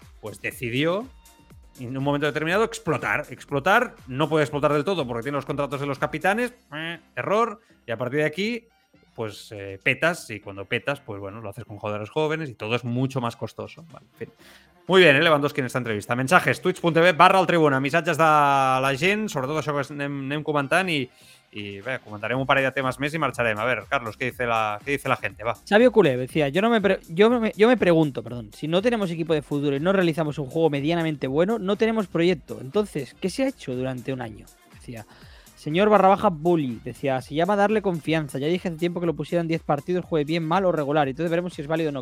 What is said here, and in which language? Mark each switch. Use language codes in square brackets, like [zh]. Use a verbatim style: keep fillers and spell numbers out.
[es] Pues decidió, en un momento determinado, explotar. Explotar, no puede explotar del todo porque tiene los contratos de los capitanes, eh, error, y a partir de aquí, pues eh, petas, y cuando petas, pues bueno, lo haces con jugadores jóvenes y todo es mucho más costoso. Vale, en fin. Muy bien, eh, Lewandowski en esta entrevista. Mensajes, twitch.tv barra el tribuna, [ca] missatges de la gent, sobretot això que anem, anem comentant, i, i bé, comentarem un parell de temes més i marxarem. [es] A ver, Carlos, ¿qué dice la, qué dice la gente? Va. Xavi Oculé decía, yo, no me pre- yo, me, yo me pregunto, perdón, si no tenemos equipo de fútbol y no realizamos un juego medianamente bueno, no tenemos proyecto. Entonces, ¿qué se ha hecho durante un año? Decía, señor barra baja bully, decía, se llama darle confianza. Ya dije hace tiempo que lo pusieran diez partidos, juegue bien, mal o regular. Entonces veremos si es válido o no.